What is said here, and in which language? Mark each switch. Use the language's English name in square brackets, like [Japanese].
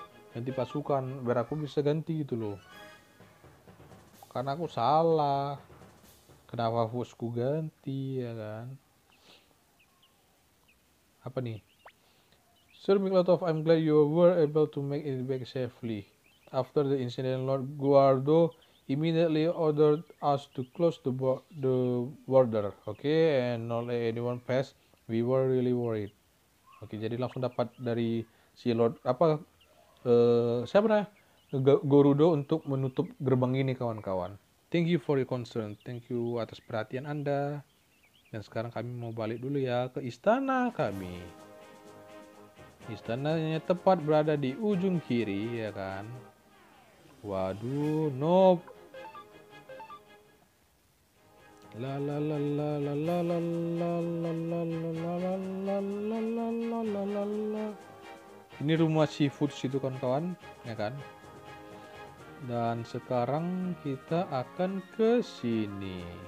[Indonesian] ganti pasukan biar aku bisa ganti gitu loh, karena aku salah kenapa fokusku ganti ya kan. Apa nih, [English] Sir Miklotov, I'm glad you were able to make it back safely. After the incident, Lord Guardo immediately ordered us to close the border, okay, and not let anyone pass. We were really worried. [Indonesian] Okay, jadi langsung dapat dari si Lord apa siapa nih Gorudo untuk menutup gerbang ini kawan-kawan. [English] Thank you for your concern. [Indonesian] Thank you atas perhatian Anda. Dan sekarang kami mau balik dulu ya ke istana kami. Istananya tepat berada di ujung kiri ya kan. Waduh, nope. La la la la la la la la la la la la la la la la la la la la. Ini rumah seafood situ kawan-kawan, ya kan? Dan sekarang kita akan ke sini.